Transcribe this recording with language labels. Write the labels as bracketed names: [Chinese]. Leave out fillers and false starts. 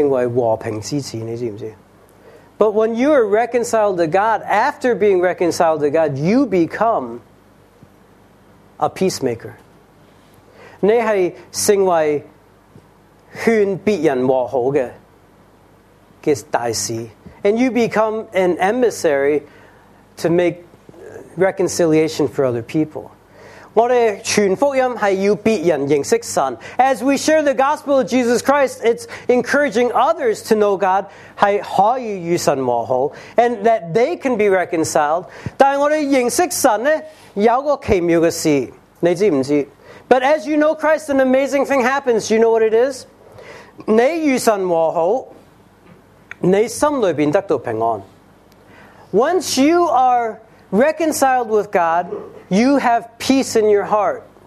[Cantonese] 但我们和好之后，我们是成为和平之子，你知不知？ [English] But when you are reconciled to God, after being reconciled to God, you become a peacemaker. [Cantonese] 你是成为 劝别人和好的大使, [English] and you become an emissary to make reconciliation for other people. [Cantonese] 我们传福音是要别人认识神, [English] as we share the gospel of Jesus Christ, it's encouraging others to know God, [Cantonese] 是可以与神和好, [English] and that they can be reconciled. [Cantonese] 但我们认识神呢, 有个奇妙的事, 你知不知? [English] But as you know Christ, an amazing thing happens. Do you know what it is? [Cantonese] 你与神和好，你心里边得到平安。 [English] Once you are reconciled with God, you have peace in your heart.